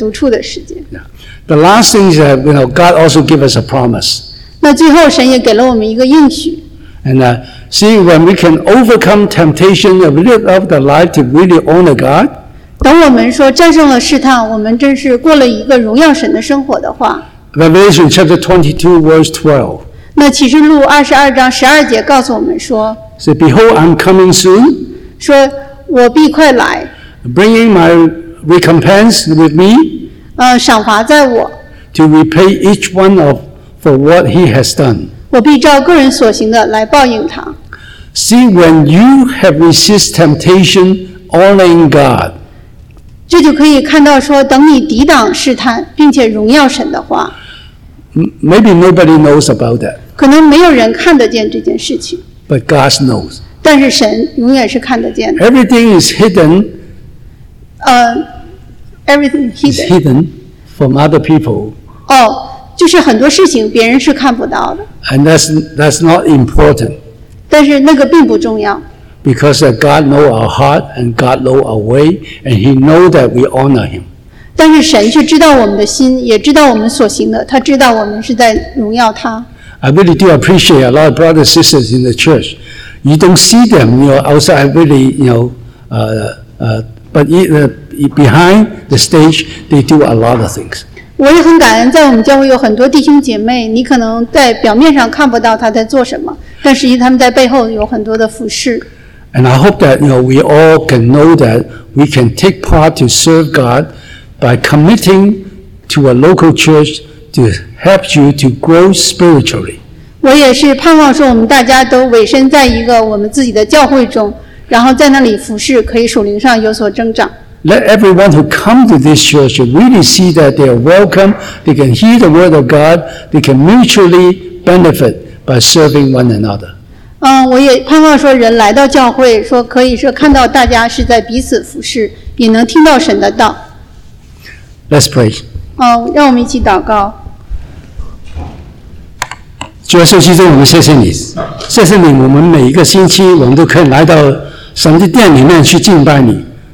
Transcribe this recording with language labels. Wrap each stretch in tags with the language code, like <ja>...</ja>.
<en>The last thing is that God also gave us a promise.</en> <zh>那最后神也给了我们一个应许。</zh> <en>And see, when we can overcome temptation and live out the life to really honor God.</en> <zh>等我们说战胜了试探，我们真是过了一个荣耀神的生活的话。</zh> <en>Revelation chapter 22 verse 12.</en> <zh>那启示录二十二章十二节告诉我们说。</zh> <en>Say, behold, I'm coming soon.</en> <zh>说我必快来。</zh> <en>Bringing my recompense with me,</en> <zh>赏罚在我</zh> <en>to repay each one of for what he has done.</en> <zh>我必照个人所行的来报应他。</zh> <en>See, when you have resisted temptation, honoring God,</en> <zh>这就可以看到说，等你抵挡试探并且荣耀神的话。</zh> <en>Maybe nobody knows about that.</en> <zh>可能没有人看得见这件事情。</zh> <en>But God knows.</en> <zh>但是神永远是看得见的。</zh> <en>Everything is hidden. Everything hidden. Is hidden from other people.</en> <zh>就是很多事情别人是看不到的。</zh> <en>And that's not important.</en> <zh>但是那个并不重要。</zh> <en>Because God know our heart and God know our way, and He know that we honor Him.</en> <zh>但是神却知道我们的心，也知道我们所行的，他知道我们是在荣耀他。</zh> <en>I really do appreciate a lot of brothers and sisters in the church. You don't see them, outside. Really, but behind the stage, they do a lot of things.</en> <zh>我也很感恩，在我们教会有很多弟兄姐妹，你可能在表面上看不到他在做什么，但实际他们在背后有很多的服事。</zh> <en>And I hope that we all can know that we can take part to serve God by committing to a local church to help you to grow spiritually.</en> <zh>我也是盼望说，我们大家都委身在一个我们自己的教会中。然后在那里服侍，可以属灵上有所增长。</zh> <en>Let everyone who come to this church really see that they are welcome. They can hear the word of God. They can mutually benefit by serving one another.</en> <zh>我也盼望说，人来到教会，说可以说看到大家是在彼此服侍，也能听到神的道。</zh> <en>Let's pray.</en> <zh>让我们一起祷告。主耶稣基督，我们谢谢你，谢谢你，我们每一个星期我们都可以来到神的殿里面去敬拜你。</zh>